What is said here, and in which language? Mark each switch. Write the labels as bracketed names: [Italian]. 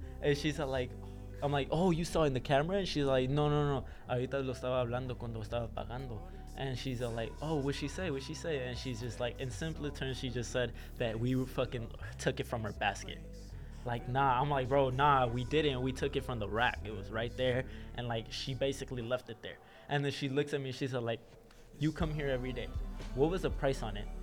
[English] And she's like, I'm like, oh, you saw in the camera? And she's like, no. [Spanish] Ahorita lo estaba hablando cuando estaba pagando. [English] And she's like, oh, what'd she say? And she's just like, in simpler terms, she just said that we fucking took it from her basket. Like, nah, I'm like, bro, nah, we didn't. We took it from the rack. It was right there. And, like, she basically left it there. And then she looks at me and she's like, you come here every day. What was the price on it?